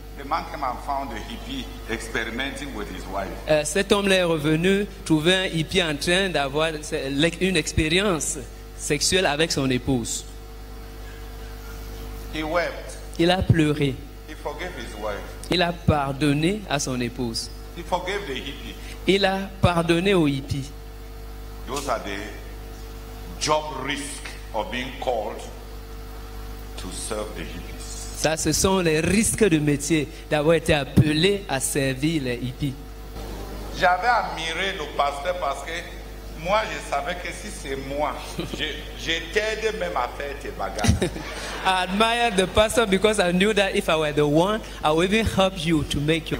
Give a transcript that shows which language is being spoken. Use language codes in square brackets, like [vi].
[en] the man came and found a hippie experimenting with his wife. [fr] Cet homme-là est revenu trouver un hippie en train d'avoir une expérience sexuelle avec son épouse. [en] He wept. [fr] Il a pleuré. [en] He forgave his wife. [fr] Il a pardonné à son épouse. [en] He forgave the hippie. [fr] Il a pardonné au hippie. [en] Those are the job risks of being called to serve the hippie. [fr] Ça, ce sont les risques de métier d'avoir été appelé à servir les hippies. J'avais admiré le pasteur parce que moi, je savais que si c'est moi, je t'aide même à faire tes bagages. [en] I admired the pastor because I knew that if I were the one, I would even help you to make your...